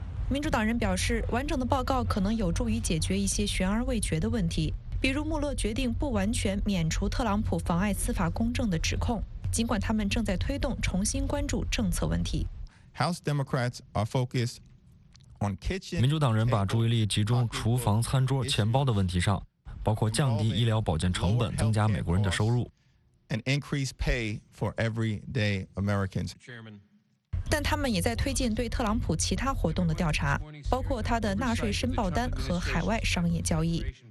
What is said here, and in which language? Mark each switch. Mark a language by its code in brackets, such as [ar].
[zh] 民主党人表示，完整的报告可能有助于解决一些悬而未决的问题，比如穆勒决定不完全免除特朗普妨碍司法公正的指控，尽管他们正在推动重新关注政策问题。 [en] House Democrats are focused on kitchen. [zh] 民主党人把注意力集中厨房、餐桌、钱包的问题上，包括降低医疗保健成本，增加美国人的收入。 [en] And increase pay for everyday Americans. [zh] 但他们也在推进对特朗普其他活动的调查，包括他的纳税申报单和海外商业交易。